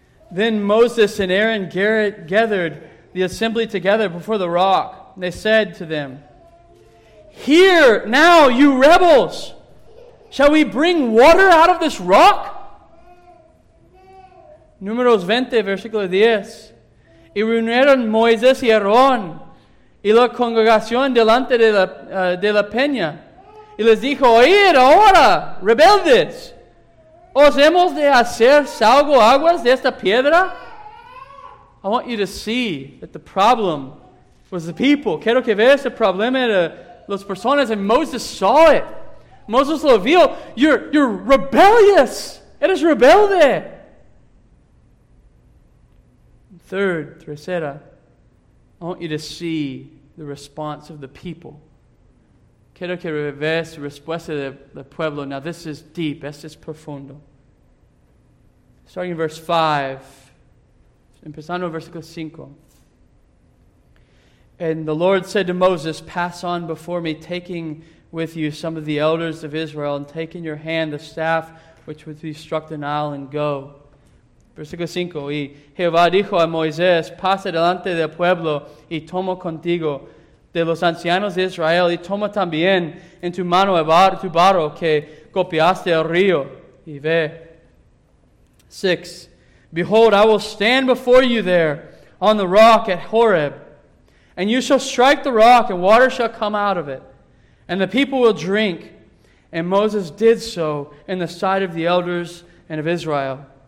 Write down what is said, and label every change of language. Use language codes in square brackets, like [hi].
[en] Then Moses and Aaron gathered the assembly together before the rock. They said to them, "Hear now, you rebels! Shall we bring water out of this rock?" [es] Números 20, versículo 10. Y reunieron Moisés y Aarón y la congregación delante de la peña. Y les dijo, oíd ahora, rebeldes, ¿os hemos de hacer salgo aguas de esta piedra? [en] I want you to see that the problem was the people. [es] Quiero que veas el problema de las personas. [en] And Moses saw it. [es] Moses lo vio. [en] You're rebellious. [es] Eres rebelde. [en] Third, tercera, I want you to see the response of the people. [es] Quiero que veas la respuesta del pueblo. [en] Now, this is deep. [es] Esto es profundo. [en] Starting in verse 5. [es] Empezando en versículo 5. [en] And the Lord said to Moses, "Pass on before me, taking with you some of the elders of Israel, and take in your hand the staff which would be struck the Nile, and go." [es] Versículo 5. Y Jehová dijo a Moisés, "Pasa delante del pueblo, y toma contigo de los ancianos de Israel, y toma también en tu mano tu barro que golpeaste el río, y ve." 6. [en] "Behold, I will stand before you there on the rock at Horeb, and you shall strike the rock, and water shall come out of it, and the people will drink." And Moses did so in the sight of the elders and of Israel.